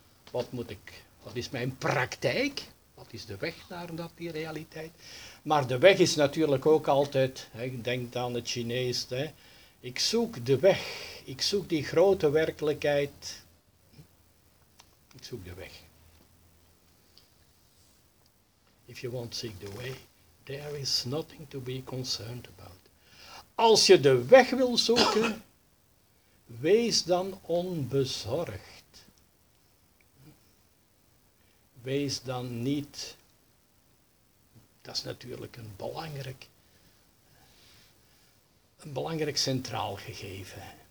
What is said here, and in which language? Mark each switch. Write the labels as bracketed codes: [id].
[nl] Wat is mijn praktijk? Wat is de weg naar dat, die realiteit? Maar de weg is natuurlijk ook altijd, hè, denk aan het Chinees, hè, ik zoek de weg, ik zoek die grote werkelijkheid. Ik zoek de weg. [en] If you want to seek the way, there is nothing to be concerned about. [nl] Als je de weg wil zoeken, wees dan onbezorgd. Wees dan niet, dat is natuurlijk een belangrijk centraal gegeven.